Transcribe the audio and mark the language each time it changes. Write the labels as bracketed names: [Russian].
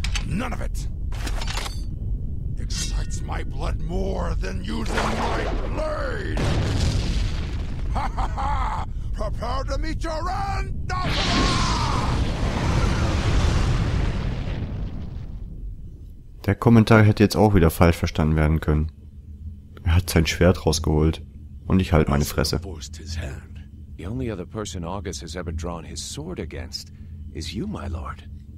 [English] None of it excites my blood more than using my blade. Ha ha ha! Prepare to meet your end. [German] Der Kommentar hätte jetzt auch wieder falsch verstanden werden können. Er hat sein Schwert rausgeholt und ich halte meine Fresse. [English] The only other person August has ever drawn his sword against is you, my lord.